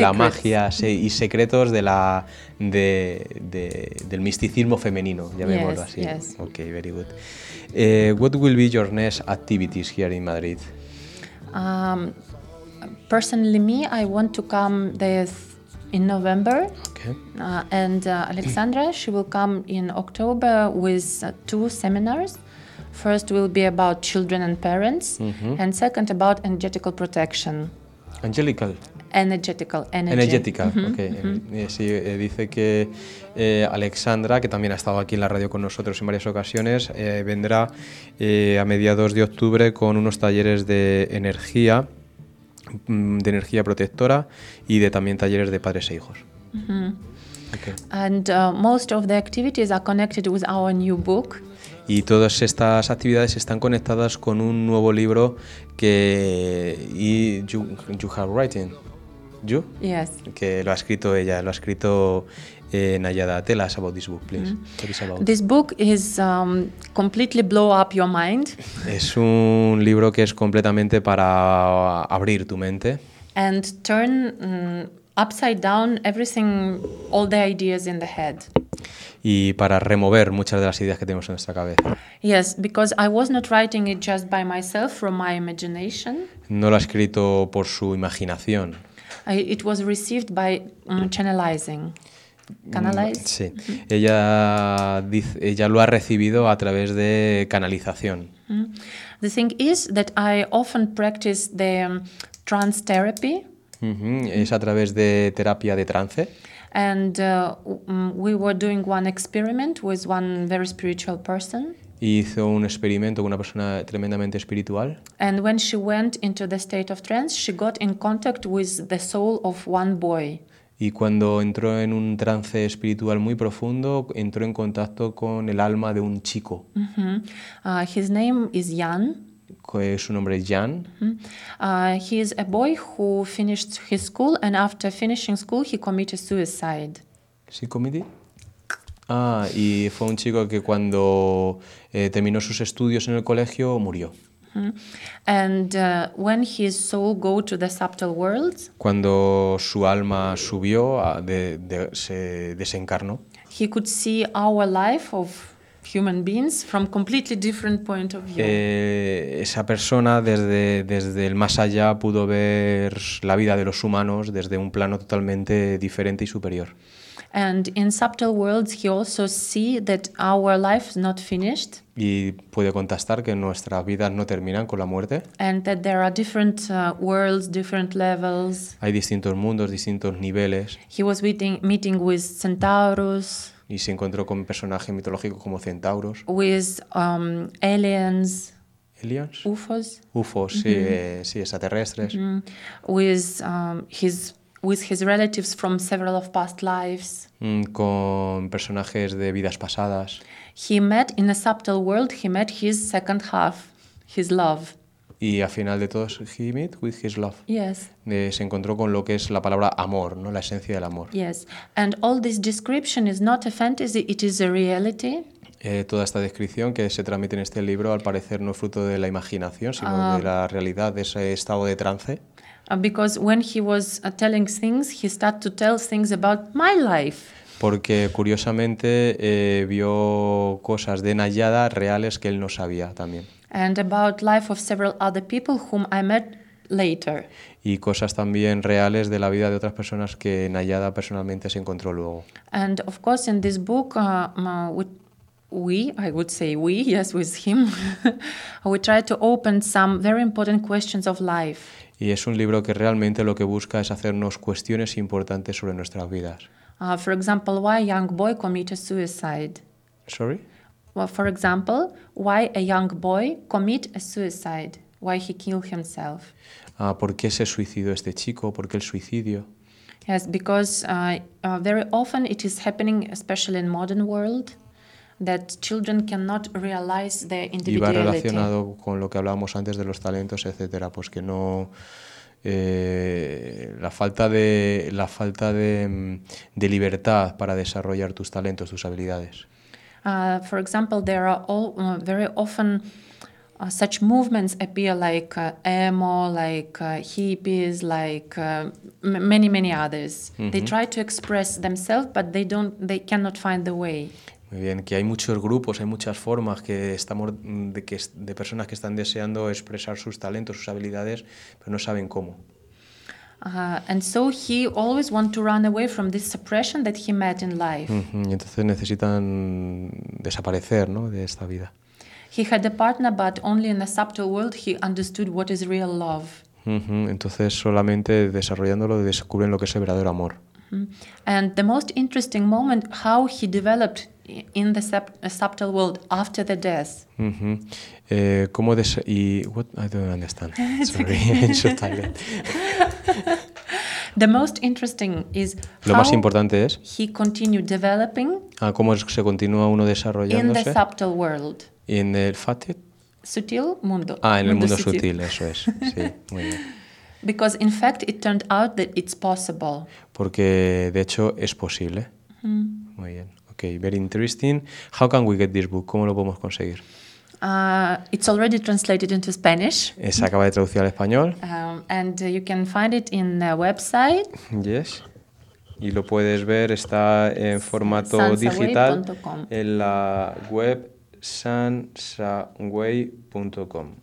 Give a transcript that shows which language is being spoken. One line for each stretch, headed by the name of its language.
Spanish: La magia y secretos de del misticismo femenino, llamémoslo
English: yes,
Spanish: así.
English: Yes. Okay, very good. What will be your next activities here in Madrid? Personally, me, I want to come in November. Alexandra, she will come in October with two seminars. First will be about children and parents, and second about energetical protection. Angelical. Energetical. Energy. Energetical.
Spanish: Sí, dice que Alexandra, que también ha estado aquí en la radio con nosotros en varias ocasiones, vendrá a mediados de octubre con unos talleres de energía. De energía protectora y de también talleres de padres e hijos.
English: And most of the activities are connected with our new book.
Spanish: Y todas estas actividades están conectadas con un nuevo libro que
English: you have written. You? Yes.
Spanish: Que lo ha escrito ella, lo ha escrito Nayada.
English: Tell us about this book, please. What is about? This book is completely blow up your mind.
Spanish: Es un libro que es completamente para abrir tu mente.
English: And turn upside down everything, all the ideas in the head.
Spanish: Y para remover muchas de las ideas que tenemos en nuestra cabeza.
English: Yes, because I was not writing it just by myself from my imagination.
Spanish: No lo ha escrito por su imaginación.
English: It was received by channelizing. Canalize?
Spanish: Sí. Ella dice, ella lo ha recibido a través de canalización.
English: The thing is that I often practice the trance therapy.
Spanish: Es a través de terapia de trance.
English: And we were doing one experiment with one very spiritual person.
Spanish: Y hizo un experimento con una persona tremendamente espiritual.
English: And when she went into the state of trance, she got in contact with the soul of one boy.
Spanish: Y cuando entró en un trance espiritual muy profundo, entró en contacto con el alma de un chico.
English: His name is Jan.
Spanish: Su nombre es Jan.
English: He is a boy who finished his school and after finishing school he committed suicide.
Spanish: ¿Sí, comité? Ah, y fue un chico que cuando terminó sus estudios en el colegio murió.
English: And when his soul go to the subtle worlds,
Spanish: cuando su alma subió, se desencarnó.
English: He could see our life of human beings from completely different point of view.
Spanish: Esa persona desde el más allá pudo ver la vida de los humanos desde un plano totalmente diferente y superior.
English: And in subtle worlds, he also see that our life is not finished.
Spanish: Y puede contestar que nuestras vidas no terminan con la muerte.
English: And that there are different worlds, different levels.
Spanish: Hay distintos mundos, distintos niveles.
English: He was meeting with centaurs.
Spanish: Y se encontró con personajes mitológicos como centauros.
English: With aliens. Aliens. UFOs.
Spanish: UFOs, sí, sí, extraterrestres. Mm-hmm.
English: With his relatives from several of past lives.
Spanish: Con personajes de vidas pasadas.
English: He met in a subtle world. He met his second half, his love.
Spanish: Y al final de todo,
English: he met with his love. Yes.
Spanish: Se encontró con lo que es la palabra amor, ¿no? La esencia del amor.
English: Yes. And all this description is not a fantasy. It is a reality.
Spanish: Toda esta descripción que se transmite en este libro, al parecer, no es fruto de la imaginación, sino de la realidad, de ese estado de trance.
English: Because when he was telling things, he started to tell things about my life.
Spanish: Porque curiosamente vio cosas de Nayada reales que él no sabía también.
English: And about life of several other people whom I met later.
Spanish: Y cosas también reales de la vida de otras personas que Nayada personalmente se encontró luego.
English: And of course, in this book, with him, we try to open some very important questions of life.
Spanish: Y es un libro que realmente lo que busca es hacernos cuestiones importantes sobre nuestras vidas.
English: For example, why a young boy committed suicide? Sorry? Well, for example, why a young boy commit a suicide? Why he kill himself?
Spanish: ¿Por qué se suicidó este chico? ¿Por qué el suicidio?
English: Yes, because very often it is happening, especially in modern world, that children cannot realize their individuality.
Spanish: Y va relacionado con lo que hablábamos antes de los talentos, etcétera, pues que no la falta de libertad para desarrollar tus talentos, tus habilidades.
English: For example, there are very often such movements appear like emo, like hippies, like many others. Mm-hmm. They try to express themselves, but they cannot find the way.
Spanish: Muy bien, que hay muchos grupos, hay muchas formas que estamos de personas que están deseando expresar sus talentos, sus habilidades, pero no saben cómo.
English: And so he always want to run away from this suppression that he met in life.
Spanish: Y entonces necesitan desaparecer, ¿no?, de esta vida.
English: He had a partner, but only in a subtle world he understood what is real love.
Spanish: Entonces solamente desarrollándolo descubren lo que es el verdadero amor.
English: And the most interesting moment, how he developed in the subtle world after the death. I don't understand. It's sorry, okay. The most interesting is
Spanish: lo más importante es
English: he continued developing.
Spanish: Cómo es que se continúa uno desarrollándose
English: in the subtle world.
Spanish: In el sutil mundo. En el mundo sutil, eso es. Sí, muy bien.
English: Because in fact it turned out that it's possible.
Spanish: Porque de hecho es posible. Muy bien.
English: Okay, very interesting. How can we get this book?
Spanish: ¿Cómo lo podemos conseguir?
English: It's already translated into Spanish.
Spanish: Se acaba de traducir al español.
English: And you can find it in the website. Yes.
Spanish: Y lo puedes ver, está en formato digital en la web sansaway.com.